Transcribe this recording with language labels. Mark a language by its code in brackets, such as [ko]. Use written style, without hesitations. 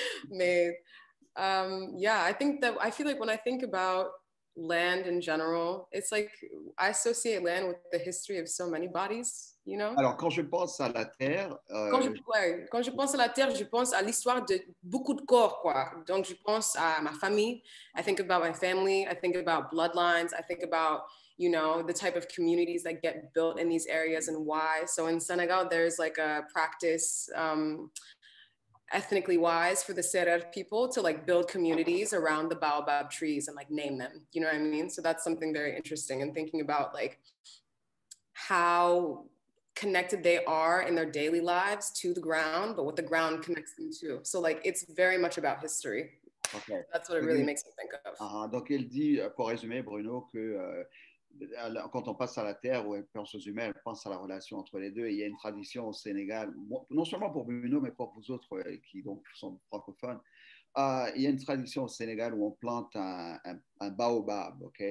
[en] Mais, yeah, I think that, I feel like when I think about land in general, it's like I associate land with the history of so many bodies, you know. [fr] Alors quand je pense à la terre, quand je pense à la terre, je pense à l'histoire de beaucoup de corps, quoi. Donc je pense à ma famille. I think about my family. [en] I think about bloodlines. I think about, you know, the type of communities that get built in these areas and why. So in Senegal, there's like a practice, ethnically wise, for the Serer people to like build communities around the baobab trees and like name them, you know what I mean? So that's something very interesting, and thinking about like how connected they are in their daily lives to the ground, but what the ground connects them to. So like, it's very much about history. Okay. That's what it really makes me think of. [fr] Donc elle dit, pour résumer, Bruno, que quand on passe à la terre ou elle pense aux humains, elle pense à la relation entre les deux. Et il y a une tradition au Sénégal, non seulement pour Bruno, mais pour vous autres qui donc sont francophones. Il y a une tradition au Sénégal où on plante un baobab, ok?